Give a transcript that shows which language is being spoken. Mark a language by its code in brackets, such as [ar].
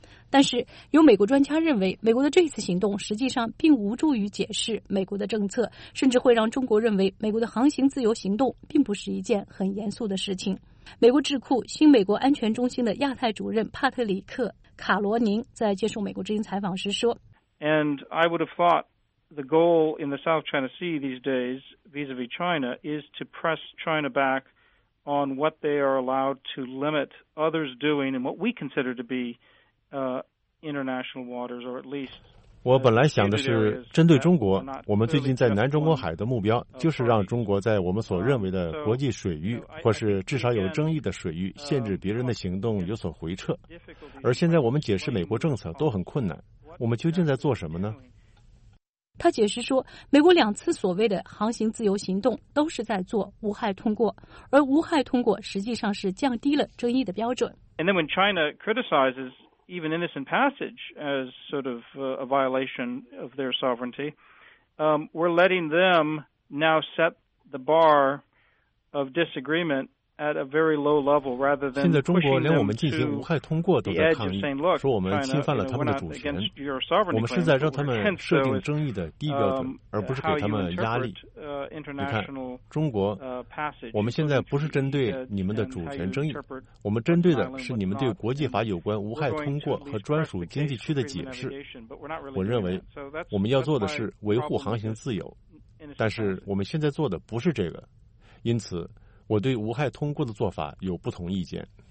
[zh] 但是有美国专家认为，美国的这次行动实际上并无助于解释美国的政策，甚至会让中国认为美国的航行自由行动并不是一件很严肃的事情。美国智库新美国安全中心的亚太主任帕特里克·卡罗宁在接受美国之音采访时说， [en] And I would have thought the goal in the South China Sea these days vis-a-vis China is to press China back on what they are allowed to limit others doing and what we consider to be international waters, or at least, [zh] 我本来想的是，针对中国，我们最近在南中国海的目标就是让中国在我们所认为的国际水域，或是至少有争议的水域，限制别人的行动有所回撤。而现在我们解释美国政策都很困难，我们究竟在做什么呢？他解释说，美国两次所谓的航行自由行动都是在做无害通过，而无害通过实际上是降低了争议的标准。 [en] And then when China criticizes even innocent passage as sort of a violation of their sovereignty, we're letting them now set the bar of disagreement at a very low level rather than pushing them to the edge of saying, look, China, you know, we're not against your sovereignty claim, but we're hence though is how you interpret international passage. [zh] 我们现在不是针对你们的主权争议，我们针对的是你们对国际法有关无害通过和专属经济区的解释。我认为我们要做的是维护航行自由，但是我们现在做的不是这个，因此我对无害通过的做法有不同意见。